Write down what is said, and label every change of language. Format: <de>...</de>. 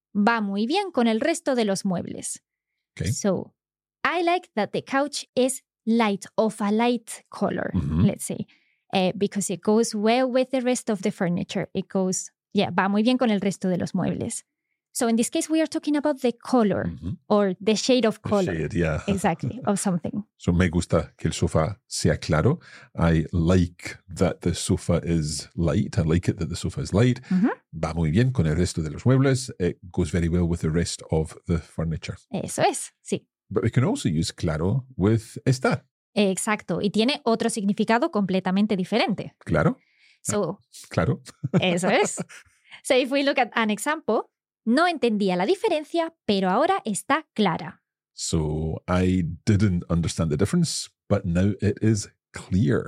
<es>Va muy bien con el resto de los muebles.</es> <en>Okay. So, I like that the couch is light, of a light color, mm-hmm. let's say, because it goes well with the rest of the furniture. It goes, yeah,</en> <es>va muy bien con el resto de los muebles.</es> <en>So in this case, we are talking about the color mm-hmm. or the shade of color. The shade, yeah. Exactly, of something. So</en> <es>me gusta que el sofá sea claro.</es> <en>I like that the sofa is light. I like it that the sofa is light. Mm-hmm.</en> <es>Va muy bien con el resto de los muebles.</es> <en>It goes very well with the rest of the furniture.</en> <es>Eso es, sí.</es> <en>But we can also use claro with estar.</en> <es>Exacto, y tiene otro significado completamente diferente. Claro.</es> <en>So, ah,</en> <es>claro. Eso es.</es> <en>So if we look at an example,</en> <es>no entendía la diferencia, pero ahora está clara.</es> <en>So, I didn't understand the difference, but now it is clear.</en>